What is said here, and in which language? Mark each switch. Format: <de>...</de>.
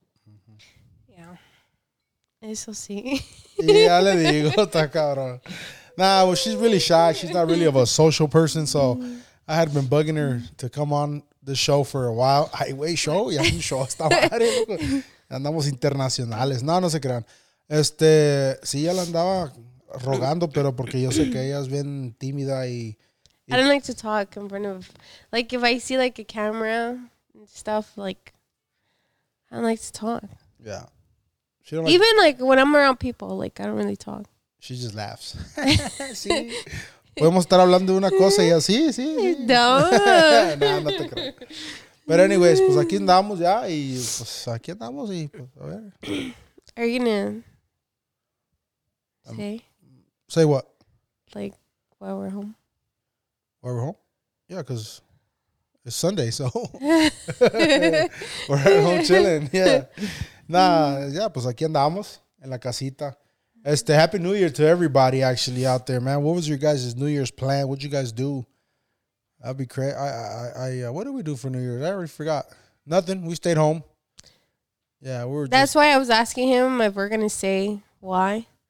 <es>Mm-hmm.</es> <en>Yeah.</en> <es>Eso sí. Ya le digo, está cabrón.</es> <en>Nah, well, she's really shy. She's not really of a social person, so I had been bugging her to come on the show for a while.</en> <es>Ay, wey, show, ya un show hasta madre. Andamos internacionales. No, no se crean. Sí, ya la andaba rogando, pero porque yo sé que ella es bien tímida y</es> <en>I don't like to talk in front of, like, if I see, like, a camera and stuff, like, I don't like to talk. Yeah. She don't like even like when I'm around people, like I don't really talk. She just laughs.</en> <es>Sí. Podemos estar hablando de una cosa y así, sí. No. Nah, no te creo. Pero</es> <en>anyways,</en> <es>pues aquí andamos ya y pues aquí andamos y pues a ver.</es> <en>Are you gonna say? Say what? Like while we're home. While we're home? Yeah, because it's Sunday, so we're at home chilling. Yeah.</en> <es>Nah, yeah, pues aquí andamos en la casita.</es> <en>Este, Happy New Year to everybody actually out there, man. What was your guys' New Year's plan? What'd you guys do? That'd be crazy. What did we do for New Year's? I already forgot. Nothing. We stayed home. Yeah, we were. That's why I was asking him if we're going to say why.</en>